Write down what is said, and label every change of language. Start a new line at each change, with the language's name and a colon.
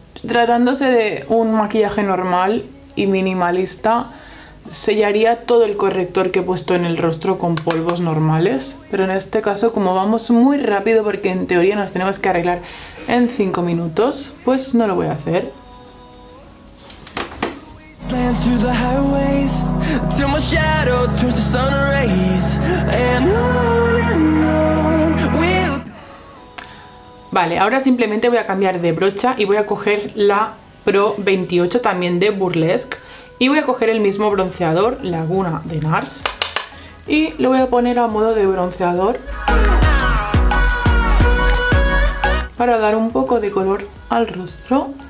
Spanish: Tratándose de un maquillaje normal y minimalista, sellaría todo el corrector que he puesto en el rostro con polvos normales. Pero en este caso, como vamos muy rápido, porque en teoría nos tenemos que arreglar en 5 minutos, pues no lo voy a hacer.
English: Lands through the highways till my shadow turns to sun rays and on and on we'll...
Spanish: Vale, ahora simplemente voy a cambiar de brocha y voy a coger la Pro 28, también de Burlesque, y voy a coger el mismo bronceador, Laguna de NARS, y lo voy a poner a modo de bronceador para dar un poco de color al rostro.